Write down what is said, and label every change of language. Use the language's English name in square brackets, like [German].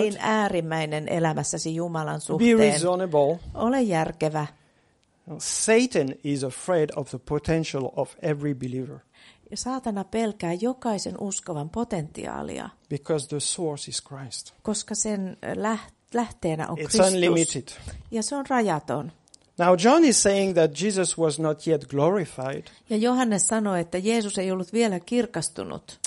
[Finnish] Niin äärimmäinen elämässäsi Jumalan suhteen. [English] Be reasonable. [Finnish] Ole järkevä. [English] Satan is afraid of the potential of every believer. [Finnish] Saatana pelkää jokaisen uskovan potentiaalia. [English] Because the source is Christ. [Finnish] Koska sen lähteenä on [English] it's [Finnish] Kristus. [English] Unlimited. [Finnish] Ja se on rajaton. [English] Now John is saying that Jesus was not yet glorified. [Finnish] Ja Johannes sanoi, että Jeesus ei ollut vielä kirkastunut.